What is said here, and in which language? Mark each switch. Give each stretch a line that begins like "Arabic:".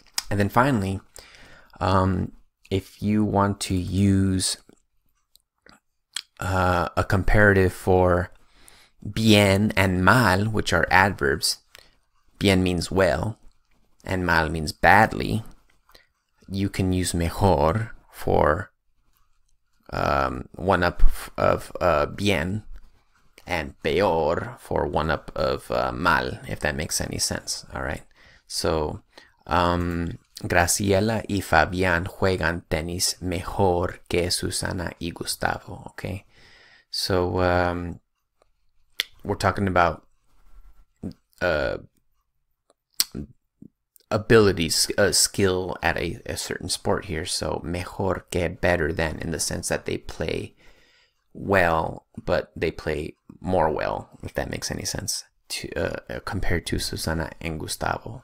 English: And then finally, if you want to use a comparative for bien and mal, which are adverbs, bien means well, and mal means badly, you can use mejor for one up of bien, and peor for one up of mal, if that makes any sense. All right.
Spanish: So, Graciela y Fabián juegan tenis mejor que Susana y Gustavo.
English: Okay. So, we're talking about abilities, skill at a certain sport here. So, mejor que, better than, in the sense that they play well, but they play more well, if that makes any sense, to compared to Susana and Gustavo.